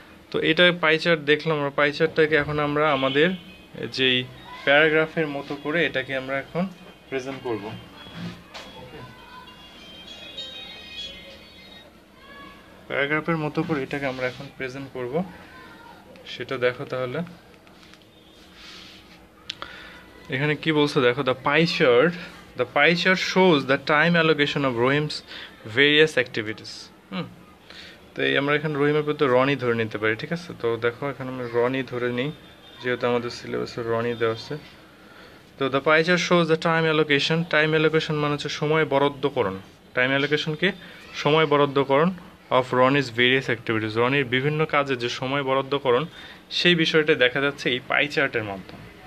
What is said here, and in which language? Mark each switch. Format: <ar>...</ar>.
<bn>তো এটা pie chart দেখলাম আমরা পাই চার্টটাকে এখন আমরা আমাদের যেই প্যারাগ্রাফের মতো করে এটাকে আমরা এখন প্রেজেন্ট করব প্যারাগ্রাফের মতো করে এটাকে আমরা এখন প্রেজেন্ট করব সেটা দেখো তাহলে এখানে কি বলছে দেখো the pie chart</bn> <en>The pie chart shows the time allocation of Rohim's various activities.</en> <bn>তো এই আমরা এখানে রহিমের পর তো রনি ধরে নিতে পারি, ঠিক আছে? তো দেখো এখানে আমি রনি ধরে নিই, যেহেতু আমাদের সিলেবাসে রনি দেওয়া আছে।</bn> <en>তো the pie chart shows the time allocation.</en> <bn>Time allocation মানে হচ্ছে সময় বরাদ্দকরণ। টাইম অ্যালোকেশনকে সময় বরাদ্দকরণ</bn> <en>of Rony's various activities,</en> <bn>রনির বিভিন্ন কাজে যে সময় বরাদ্দকরণ সেই বিষয়টা দেখা যাচ্ছে এই পাই চার্টের মাধ্যমে।</bn>